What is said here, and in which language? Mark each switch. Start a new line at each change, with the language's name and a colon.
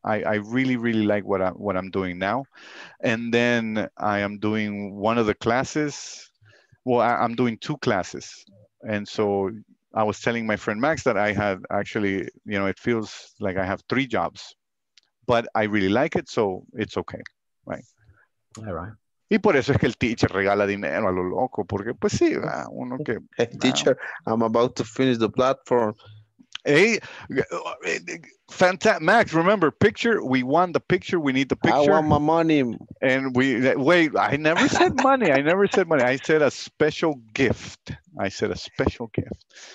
English: I really, really like what I'm doing now. And then I am doing one of the classes. Well, I'm doing two classes. And so I was telling my friend Max that I had actually, you know, it feels like I have three jobs, but I really like it, so it's okay, right? All right.
Spanish: Y por eso es que el teacher regala dinero a lo loco, porque pues sí, uno que...
English: Hey, teacher, I'm about to finish the platform. Hey, fantastic. Max, remember, picture, we want the picture, we need the picture. I want my money. And I never said money. I never said money. I said a special gift. I said a special gift.